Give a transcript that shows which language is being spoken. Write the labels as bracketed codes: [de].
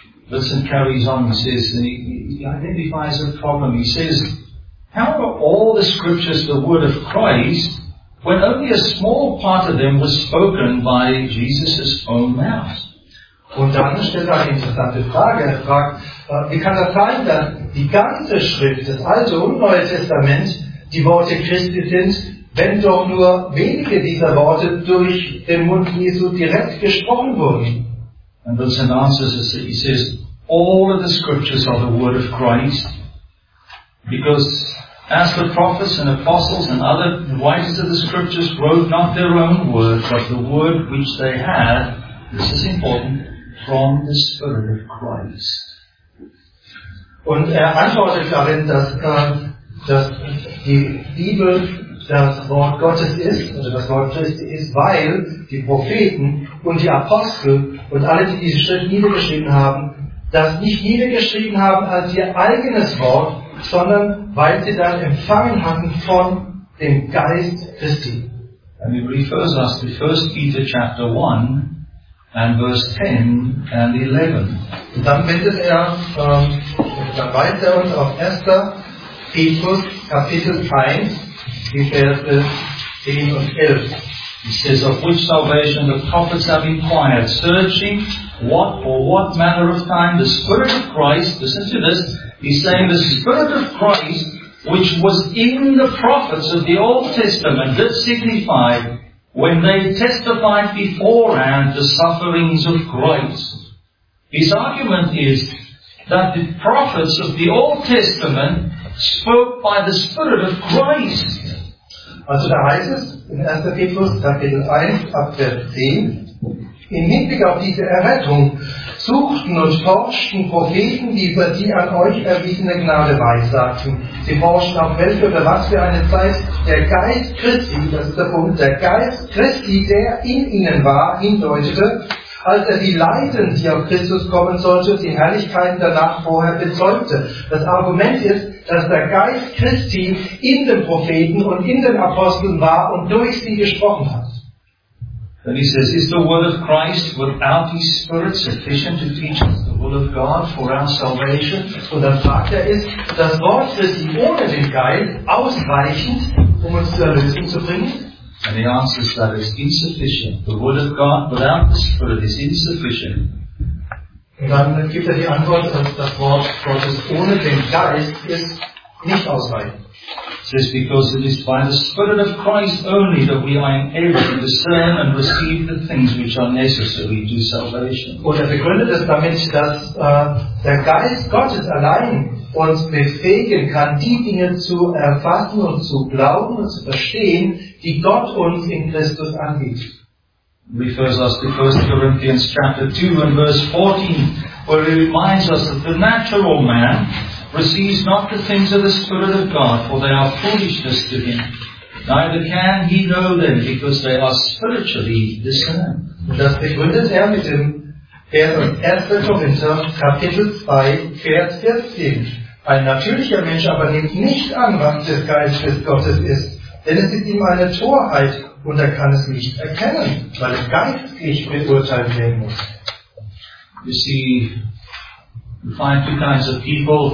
[en] Vincent carries on, he says, and he identifies a problem. He says, how are all the scriptures the word of Christ when only a small part of them was spoken by Jesus' own mouth? [de] Und dann stellt er eine interessante Frage. Er fragt, wie kann das sein, dass die ganze Schrift, das Alte und Neue Testament, die Worte Christi sind, wenn doch nur wenige dieser Worte durch den Mund Jesu direkt gesprochen wurden? [en] And Wilson answers, he says, all of the scriptures are the word of Christ, because as the prophets and apostles and other writers of the scriptures wrote not their own word, but the word which they had, this is important, from the Spirit of Christ. [de] Und er antwortet darin, dass die Bibel das Wort Gottes ist, also das Wort Christi ist, weil die Propheten und die Apostel und alle, die diese Schrift niedergeschrieben haben, das nicht niedergeschrieben haben als ihr eigenes Wort, sondern weil sie das empfangen hatten von dem Geist Christi. [en] And he refers us to 1 Peter chapter 1 and verse 10 and 11. [de] Und dann wendet er weiter uns auf 1. Petrus Kapitel 1. [en] He says, of which salvation the prophets have inquired, searching what or what manner of time the Spirit of Christ, listen to this, he's saying the Spirit of Christ, which was in the prophets of the Old Testament, did signify when they testified beforehand the sufferings of Christ. His argument is that the prophets of the Old Testament spoke by the Spirit of Christ. [de] Also da heißt es in 1. Petrus Kapitel 1, Abvers 10, im Hinblick auf diese Errettung suchten und forschten Propheten, die über die an euch erwiesene Gnade weissagten. Sie forschten auf welche oder was für eine Zeit der Geist Christi, das ist der Punkt, der Geist Christi, der in ihnen war, hindeutete, als er die Leiden, die auf Christus kommen sollte, die Herrlichkeiten danach vorher bezeugte. Das Argument ist, dass der Geist Christi in den Propheten und in den Aposteln war und durch sie gesprochen hat. [en] Then he says, is the word of Christ without his spirit sufficient to teach us the will of God for our salvation? [de] Und dann fragt er, ist das Wort Christi ohne den Geist ausreichend, um uns zur Erlösung zu bringen? [en] And he answers that it's insufficient. The word of God without the Spirit is insufficient. [de] Und dann gibt er die Antwort, dass das Wort Gottes ohne den Geist ist nicht ausreichend. [en] says, because it is by the Spirit of Christ only that we are able to discern and receive the things which are necessary to salvation. [de] Oder begründet es damit, dass der Geist Gottes allein uns befähigen kann, die Dinge zu erfassen und zu glauben und zu verstehen, die Gott uns in Christus anbietet. [en] Refers us to 1 Corinthians chapter 2 and verse 14, where he reminds us that the natural man receives not the things of the Spirit of God, for they are foolishness to him. Neither can he know them, because they are spiritually discerned. [de] Das begründet mit dem 1. Korinther, Kapitel 2, Vers 14. Ein natürlicher Mensch aber nimmt nicht an, was des Geistes Gottes ist, denn es ist ihm eine Torheit, und er kann es nicht erkennen, weil es geistlich beurteilt werden muss. [en] You see, you find two kinds of people.